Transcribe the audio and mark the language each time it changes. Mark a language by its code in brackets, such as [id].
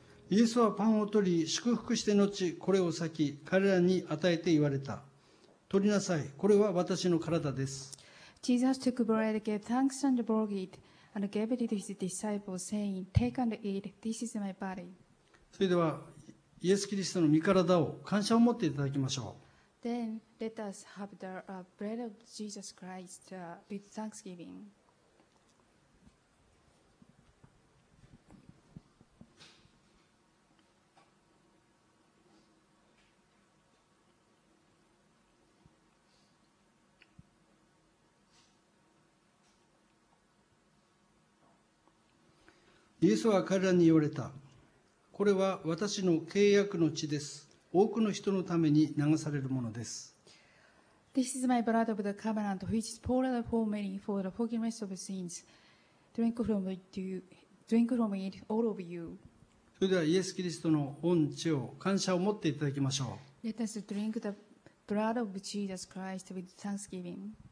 [ja] イエスはパンを取り、祝福して後、これを裂き、彼らに与えて言われた。取りなさい、これは私の体です。 [en] Jesus took bread, gave thanks and broke it, and gave it to his disciples, saying, Take and eat, this is my body. [ja] それでは、イエス・キリストの御体を感謝を持っていただきましょう。 [en] Then let us have the bread of Jesus Christ with thanksgiving. [ja] イエスは彼らに言われた。これは私の契約の血です。多くの人のために流されるものです。 [en] This is my blood of the covenant, which is poured out for many for the forgiveness of sins. Drink from it, all of you. [ja] それではイエス・キリストの御血を感謝を持っていただきましょう。 [en] Let us drink the blood of Jesus Christ with thanksgiving.